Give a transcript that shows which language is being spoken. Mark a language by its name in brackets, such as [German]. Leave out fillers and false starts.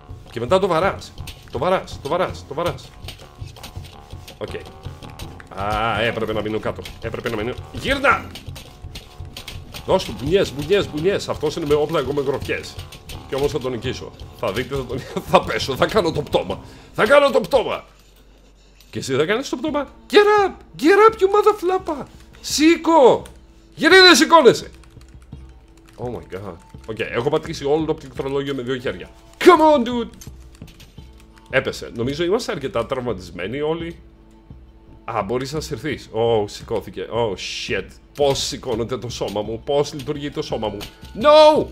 [Greek] Και μετά το βαράς. Το βαράς. Okay. Έπρεπε να μείνω κάτω. Γύρνα! Δώσ' του μπουνιές. Αυτός είναι με όπλα, εγώ με γροφιές. Και όμως θα τον νικήσω. Θα δείτε, θα τον θα πέσω, θα κάνω το πτώμα. Και εσύ θα κάνεις το πτώμα. [English] Get up, you motherflapper. [Greek] Σήκω. Γιατί δεν σηκώνεσαι? [English] Oh my god. [Greek] Okay, έχω πατήσει όλο το πληκτρολόγιο με δύο χέρια. [English] Come on, dude. [Greek] Έπεσε. Νομίζω είμαστε αρκετά τραυματισμένοι όλοι. Μπορείς να συρθείς. Oh, σηκώθηκε. [English] Oh, shit. [Greek] Πώς σηκώνεται το σώμα μου? Πώς λειτουργεί το σώμα μου? [English] No!